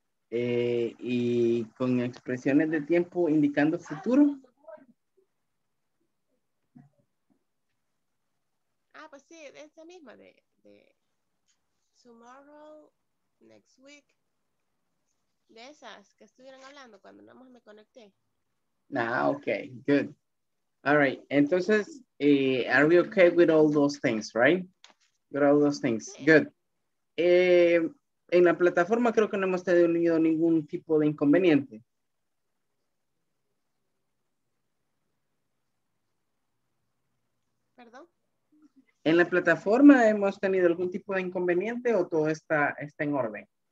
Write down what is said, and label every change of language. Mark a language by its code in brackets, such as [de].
[es] ¿Y con expresiones de tiempo indicando futuro? Pues sí, es la misma de tomorrow, next week, de esas que estuvieron hablando cuando nada más me conecté. [en] Ah, okay, good. All right, entonces, are we okay with all those things, right? With all those things, okay. Good. [es] En la plataforma creo que no hemos tenido ningún tipo de inconveniente. ¿En la plataforma hemos tenido algún tipo de inconveniente o todo está en orden?